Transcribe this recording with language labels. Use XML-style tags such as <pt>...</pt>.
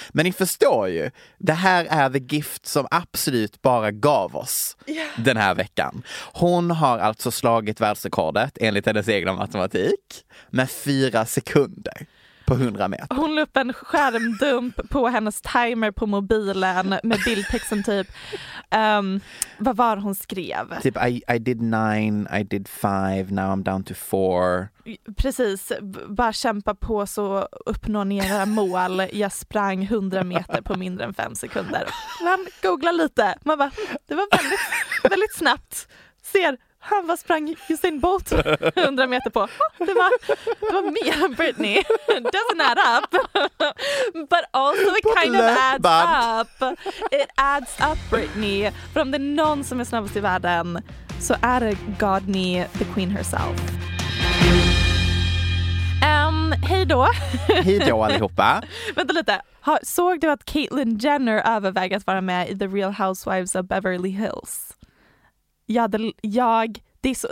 <sv>Men ni förstår ju, det här är the gift som absolut bara gav oss den här veckan. Hon har alltså slagit världsrekordet, enligt hennes egna matematik, med 4 sekunder på 100 meter. Hon la upp en skärmdump på hennes timer på mobilen med bildtexten typ, vad var hon skrev?</sv> <en>Typ, I did 9, I did 5, now I'm down to 4.</en> <sv>Precis, bara kämpa på så uppnå era mål. Jag sprang 100 meter på mindre än 5 sekunder. Man googlar lite. Man bara, det var väldigt, väldigt snabbt. Ser, han bara sprang Usain Bolt 100 meter på. Det var mer än Britney.</sv> <en>Doesn't add up. But also it kind of adds up. It adds up, Britney.</en> <sv>För om det är någon som är snabbast i världen så är det Godney,</sv> <en>the queen herself.</en> <sv>Hej då. Hej då allihopa. Vänta lite. Såg du att Caitlyn Jenner övervägde att vara med i The Real Housewives of Beverly Hills? Ja, det</sv>